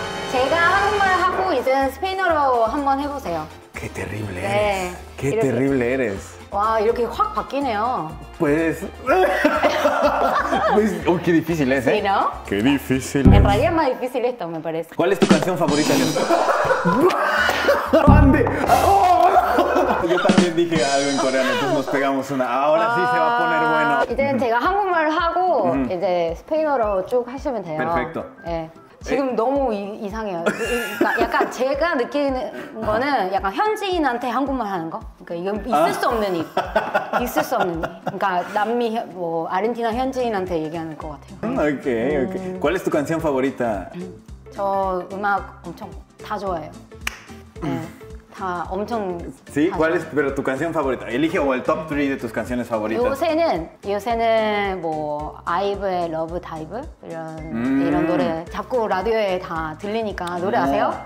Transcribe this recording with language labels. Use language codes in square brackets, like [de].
[ko] 제가 한국말 하고 이제 스페인어로 한번 해보세요. [es] Qué terrible eres. 네. Qué [ko] 이렇게, [es] terrible eres. [ko] 와 이렇게 확 바뀌네요. [es] Pues. Pues oh, qué difícil es, ¿eh? Sí, ¿no? Qué difícil. En realidad es más difícil esto, me parece. ¿Cuál es tu canción favorita? ¡Ande! ¡Oh! Yo también dije algo en coreano, entonces nos pegamos una. Ahora sí se va a poner bueno. [ko] 이제 제가 한국말 하고 이제 스페인어로 쭉 하시면 돼요. [es] Perfecto. [ko] 예. 지금 너무 이상해요. 그러니까 약간 제가 느끼는 거는 약간 현지인한테 한국말 하는 거. 그러니까 이건 있을 수 없는 일. 있을 수 없는 일. 그러니까 남미 뭐 아르헨티나 현지인한테 얘기하는 것 같아요. 오케이 오케이. [es] ¿Cuál es tu canción favorita? [ko] 저 음악 엄청 다 좋아해요. 네. 아, 엄청 [es] Sí, cuál es pero tu canción favorita? Elige o el top 3 de tus canciones favoritas. [ko] 요새는 뭐 아이브의 러브 다이브 이런 이런 노래 자꾸 라디오에 다 들리니까 노래 아세요?